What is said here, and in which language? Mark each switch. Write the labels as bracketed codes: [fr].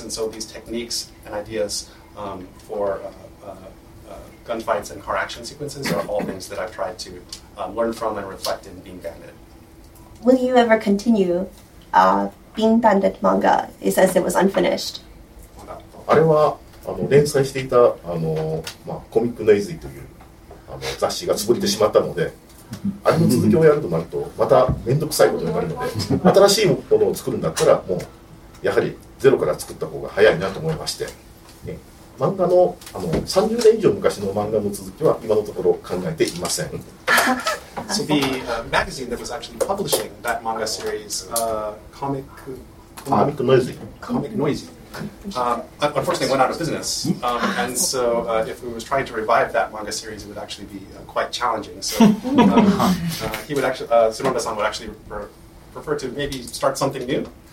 [en] And so these techniques and ideas for gunfights and car action sequences are all things that I've tried to learn from and reflect in Bean Bandit. Will you ever continue Bean Bandit manga? He says it was unfinished. [ja] あれは連載していたコミックネイズイという雑誌が潰れてしまったので、 あれの続きをやるとなるとまた面倒くさいことになるので、新しいものを作るんだったらもうやはりゼロから作った方が早いなと思いまして、漫画の30年以上昔の漫画の続きは今のところ考えていません。 [en] So the magazine that was actually publishing that manga series, Comic Noisy. Unfortunately, went out of business. And so if we was trying to revive that manga series, it would actually be quite challenging. So Tsunoda-san would actually prefer to maybe start something new.